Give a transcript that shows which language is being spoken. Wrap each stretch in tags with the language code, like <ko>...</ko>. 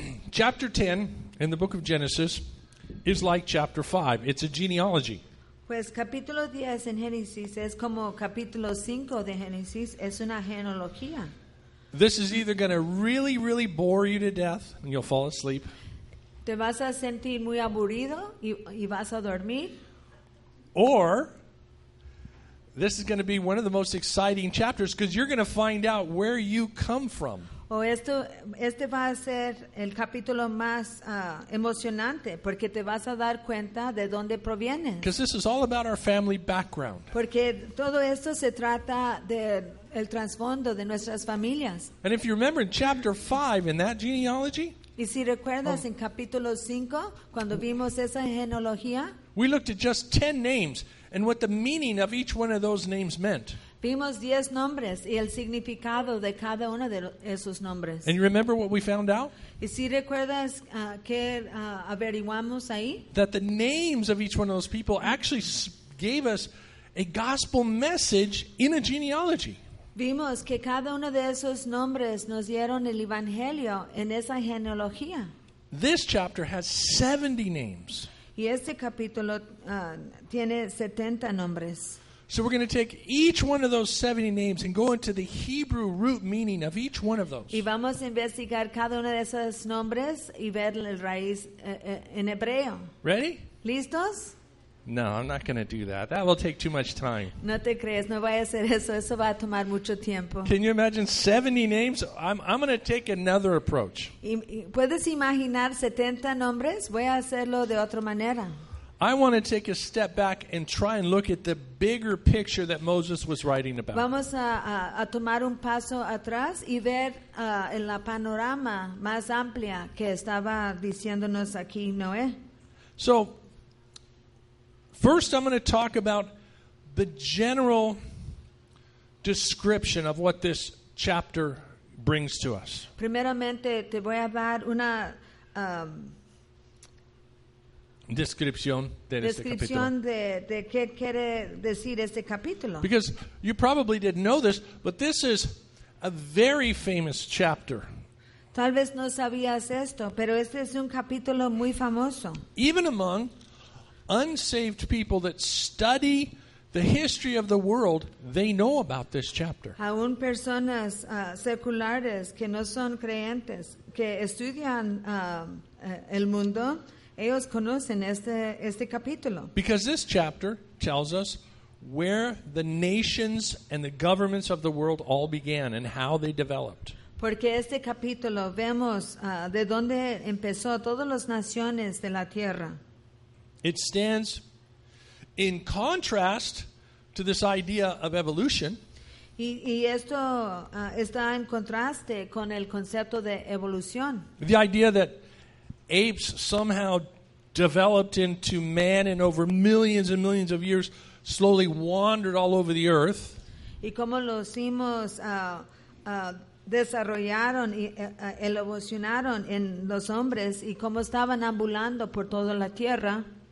<en>Chapter 10 in the book of Genesis is like chapter 5. It's a genealogy.</en> <es>Pues capítulo 10 en Génesis es como capítulo 5 de Génesis, es una genealogía.</es> <en>This is either going to really, really bore you to death and you'll fall asleep.</en> <es>Te vas a sentir muy aburrido y vas a dormir.</es> <en>Or this is going to be one of the most exciting chapters because you're going to find out where you come from.</en> <es>O este va a ser el capítulo más emocionante porque te vas a dar cuenta de dónde provienes.</es> <en>Because this is all about our family background.</en> <es>Porque todo esto se trata del trasfondo de nuestras familias.</es> <en>And if you remember in chapter 5 in that genealogy,</en> <es>y si recuerdas en capítulo 5 cuando vimos esa genealogía,</es> <en>we looked at just 10 names and what the meaning of each one of those names meant.</en> <es>Vimos 10 nombres y el significado de cada uno de esos nombres.</es> <en>And you remember what we found out?</en> <es>¿Y si recuerdas qué averiguamos ahí?</es> <en>That the names of each one of those people actually gave us a gospel message in a genealogy.</en> <es>Vimos que cada uno de esos nombres nos dieron el evangelio en esa genealogía.</es> <en>This chapter has 70 names.</en> <es>Y este capítulo tiene 70 nombres.</es> <en>So we're going to take each one of those 70 names and go into the Hebrew root meaning of each one of those.</en> <es>Y vamos a investigar cada uno de esos nombres y ver la raíz en hebreo.</es> <en>Ready?</en> <es>¿Listos?</es> <en>No, I'm not going to do that. That will take too much time.</en> <es>No te crees, no voy a hacer eso. Eso va a tomar mucho tiempo.</es> <en>Can you imagine 70 names? I'm going to take another approach.</en> <es>¿Puedes imaginar 70 nombres? Voy a hacerlo de otra manera.</es> <en>I want to take a step back and try and look at the bigger picture that Moses was writing about.</en> <es>Vamos a tomar un paso atrás y ver en la panorama más amplia que estaba diciéndonos aquí Noé.</es> <en>So, first I'm going to talk about the general description of what this chapter brings to us.</en> <es>Primeramente te voy a dar una descripción de este descripción De qué quiere decir este capítulo.</es> <en>Because you probably didn't know this, but this is a very famous chapter.</en> <es>Tal vez no sabías esto, pero este es un capítulo muy famoso.</es> <en>Even among unsaved people that study the history of the world, they know about this chapter.</en> <es>Aún personas seculares que no son creyentes, que estudian el mundo, ellos conocen este capítulo.</es> <en>Because this chapter tells us where the nations and the governments of the world all began and how they developed.</en> <es>Porque este capítulo vemos de dónde empezó todas las naciones de la tierra.</es> <en>It stands in contrast to this idea of evolution.</en> <es>Y esto está en contraste con el concepto de evolución.</es> <en>The idea that apes somehow developed into man and over millions and millions of years slowly wandered all over the earth.</en> <es>Y como los hicimos desarrollaron y evolucionaron en los hombres y como estaban ambulando por toda la tierra.</es>